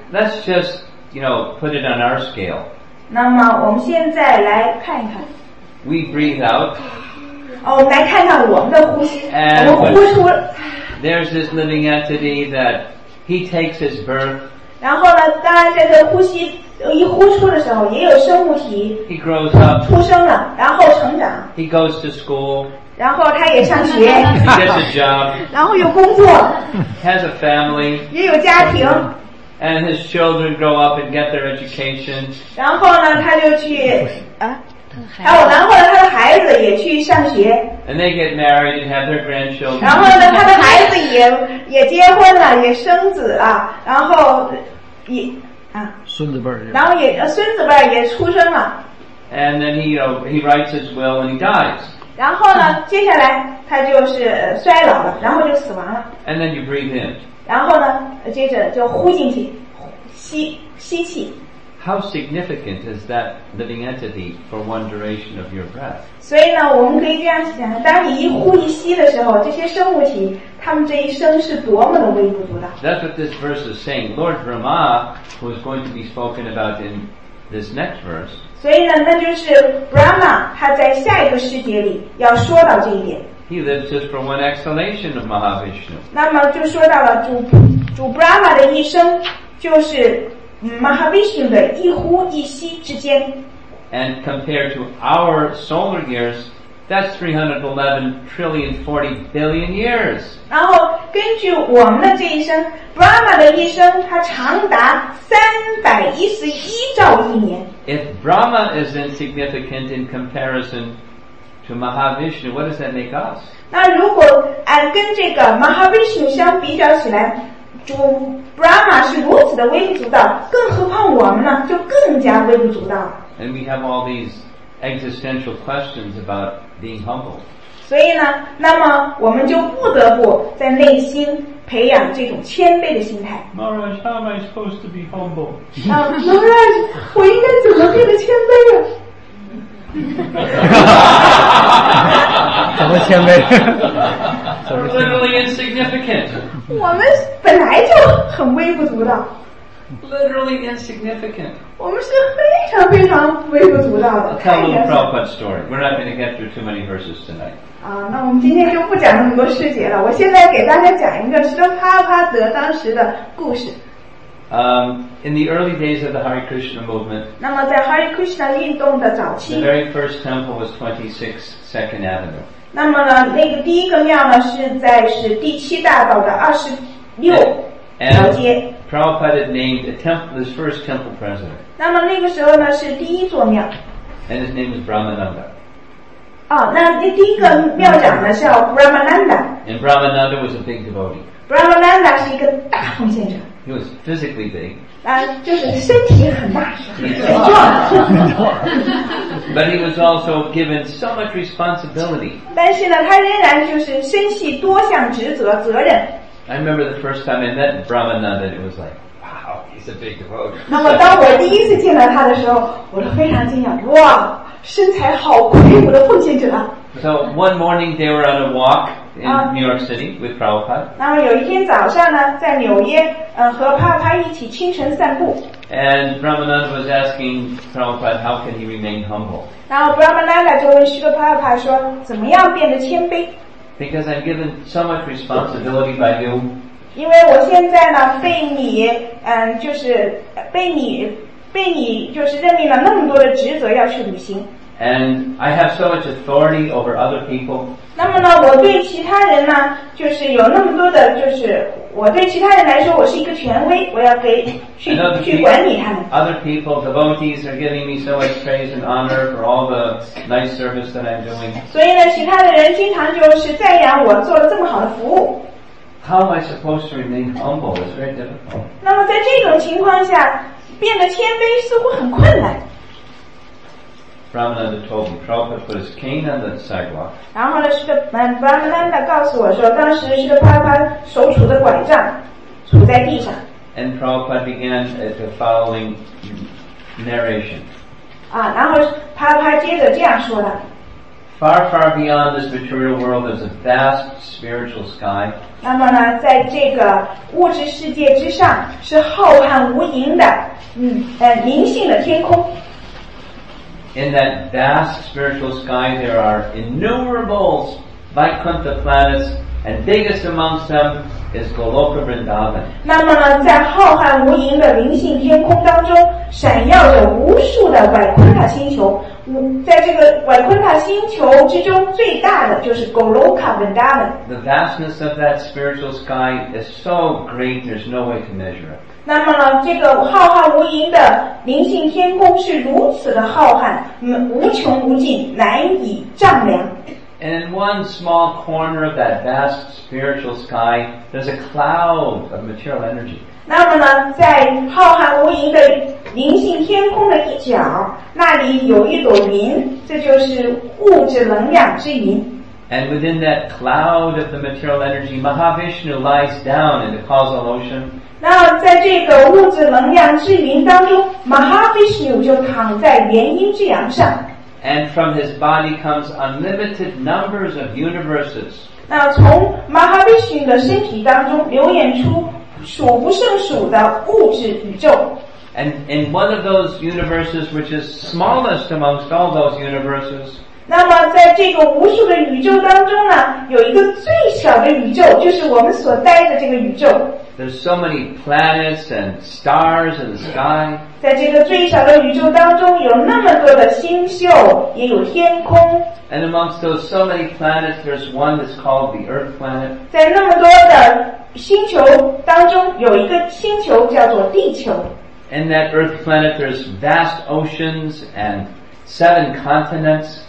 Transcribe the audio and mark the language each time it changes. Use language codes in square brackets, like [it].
[en] Let's just, you know, put it on our scale. [zh] 那么我们现在来看一看。 [en] We breathe out. [zh] 哦，我们来看看我们的呼吸。 [en] And [zh] 我们呼出。 [en] There's this living entity that he takes his birth. [zh] 然后呢，当然在这呼吸一呼出的时候，也有生物体。 [en] He grows up. [zh] 出生了，然后成长。 [en] He goes to school. [zh] 然后他也上学。 [en] He gets a job. [zh] 然后有工作。 [en] Has a family. [zh] 也有家庭。 [en] And his children grow up and get their education. [zh] 然后呢，他就去啊，然后呢，他的孩子也去上学。 [en] And they get married and have their grandchildren. [zh] 然后呢，他的孩子也结婚了，也生子了，然后也。孙子辈儿，然后也孙子辈也出生了。 [en] And then he, you know, he writes his will and he dies. [zh] 然后呢，接下来他就是衰老了，然后就死亡了。 [en] And then you breathe in. [zh] 然后呢，接着就呼进去，吸气。 [en] How significant is that living entity for one duration of your breath? [zh] 所以呢，我们可以这样想：当你一呼一吸的时候，这些生物体，他们这一生是多么的微不足道。 [en] That's what this verse is saying. Lord Brahma, who is going to be spoken about in this next verse. [zh] 所以呢，那就是 Brahma 他在下一个世界里要说到这一点。 [en] He lives just for one exhalation of Mahavishnu. [zh] 那么就说到了主 Brahma 的一生就是。 Mahavishnu 的一呼一吸之间 [en] and compared to our solar years That's 311 trillion 40 billion years. [zh] 然后根据我们的这一生 ，Brahma 的一生它长达311兆亿年。 [en] If Brahma is insignificant in comparison to Mahavishnu, what does that make us? [zh] 那如果跟这个 Mahavishnu 相比较起来，主 Brahma 是如此的微不足道，更何况我们呢，就更加微不足道。 [en] And we have all these existential questions about being humble. [zh] 所以呢，那么我们就不得不在内心培养这种谦卑的心态。 [en] Maharaj, how am I supposed to be humble? [zh] Maharaj, 我应该怎么变得谦卑呀？怎么谦卑？ [en] We're literally insignificant. [zh] 我们本来就很微不足道。 [en] Literally insignificant. [zh] 我们是非常非常微不足道的。 [en] Tell a little Prabhupada story. We're not going to get through too many verses tonight. [zh] 那我们今天就不讲那么多细节了。我现在给大家讲一个释迦帕帕德当时的故事。 [en] In the early days of the Hare Krishna movement, [zh] 那么在 Hare Krishna 运动的早期 [en] the very first temple was 26 Second Avenue. [zh] 那么呢，那个第一个庙呢，是在是第七大道的26条街。 [en] Prabhupada named a temple, his first temple president. [zh] 那么那个时候呢，是第一座庙。 [en] And his name is Brahmananda. [zh] 那第一个庙长呢叫 Brahmananda. [en] And Brahmananda was a big devotee. [zh] Brahmananda 是一个大奉献者。 [en] He was physically big. [zh] 就是身体很大，很壮。 [en] But he was also given so much responsibility. [zh] 但是呢，他仍然就是身系多项职责责任。 [en] I remember the first time I met Brahmananda, it was like, wow, he's a big devotee. [zh] 那么当我第一次见到他的时候，我就非常惊讶，哇，身材好魁梧的奉献者。 [en] So one morning they were on a walk in New York City with Prabhupada. [zh] 那么有一天早上呢，在纽约，和Prabhupada一起清晨散步。 [en] And Brahmananda was asking Prabhupada, how can he remain humble? [zh] 然后 Brahmananda 就问释迦帕帕说，怎么样变得谦卑？ [en] Because I'm given so much responsibility by you. [zh] 因为我现在呢被你就是被你就是任命了那么多的职责要去履行。 [en] And I have so much authority over other people. [zh] 那么呢我对其他人呢就是有那么多的就是我对其他人来说我是一个权威我要给去管理他们。 [en] Other people, devotees are giving me so much praise and honor for all the nice service that I'm doing. [zh] 所以呢其他的人经常就是赞扬我做了这么好的服务。 [en] How am I supposed to remain humble? It's very difficult. [zh] 那么在这种情况下变得谦卑似乎很困难。 [en] Brahmananda told me, Prabhupada put his cane on the sidewalk. [zh] 然后呢，Brahmananda 告诉我说，当时是Prabhupada手拄的拐杖，杵在地上。 [en] And Prabhupada began the following narration. [zh] 然后Prabhupada接着这样说的。 [en] Far, far beyond this material world is a vast spiritual sky. [zh] 那么呢，在这个物质世界之上，是浩瀚无垠的，灵性的天空。 [en] In that vast spiritual sky, there are innumerable Vaikuntha planets, and biggest amongst them is Goloka Vrindavan. [zh] 那么呢，在浩瀚无垠的灵性天空当中，闪耀着无数的维昆塔星球。在这个维昆塔星球之中，最大的就是 Goloka Vrindavan. [en] The vastness of that spiritual sky is so great, there's no way to measure it. [zh] 那么呢，这个浩瀚无垠的灵性天空是如此的浩瀚，无穷无尽，难以丈量。 [en] And in one small corner of that vast spiritual sky, there's a cloud of material energy. [zh] 那么呢，在浩瀚无垠的灵性天空的一角，那里有一朵云，这就是物质能量之云。 [en] And within that cloud of the material energy, Mahavishnu lies down in the causal ocean. [zh] 那在这个物质能量之云当中 ，Mahavishnu 就躺在元婴之阳上。 [en] And from his body comes unlimited numbers of universes. [zh] 那从 Mahavishnu 的身体当中流演出数不胜数的物质宇宙。 [en] And in one of those universes, which is smallest amongst all those universes. [zh] 那么在这个无数的宇宙当中呢有一个最小的宇宙就是我们所待的这个宇宙 [en] There's so many planets and stars in the sky. [zh] 在这个最小的宇宙当中，有那么多的星宿，也有天空。 [en] And amongst those so many planets, there's one that's called the Earth planet. [zh] 在那么多的星球当中，有一个星球叫做地球。 [en] In that Earth planet, there's vast oceans and seven continents.